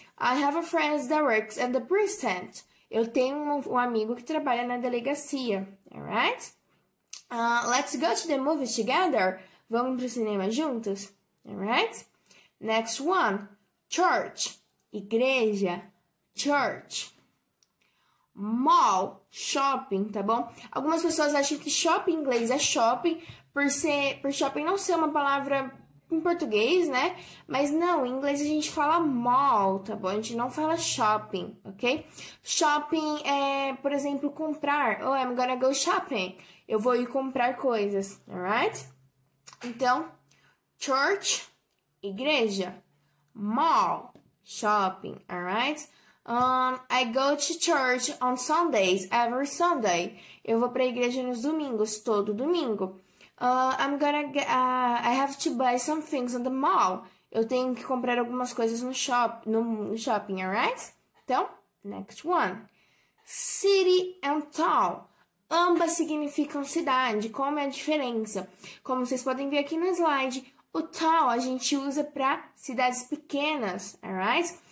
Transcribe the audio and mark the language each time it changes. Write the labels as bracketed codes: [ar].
[en] I have a friend that works at the precinct. [pt] Eu tenho um amigo que trabalha na delegacia, alright? [en] Let's go to the movies together. [pt] Vamos para o cinema juntos, [en] alright? Next one, church, igreja, church. [pt] Mall, shopping, tá bom? Algumas pessoas acham que shopping em inglês é shopping por shopping não ser uma palavra em português, né? Mas não, em inglês a gente fala mall, tá bom? A gente não fala shopping, ok? Shopping é, por exemplo, comprar. [en] Oh, I'm gonna go shopping. [pt] Eu vou ir comprar coisas, alright? Então, church, igreja. Mall, shopping, alright? [en] I go to church on Sundays, every Sunday. [pt] Eu vou pra igreja nos domingos, todo domingo. [en] I have to buy some things on the mall. [pt] Eu tenho que comprar algumas coisas no shopping, alright? [en] Então, next one. City and town. [pt] Ambas significam cidade. Como é a diferença? Como vocês podem ver aqui no slide, o town a gente usa para cidades pequenas, alright?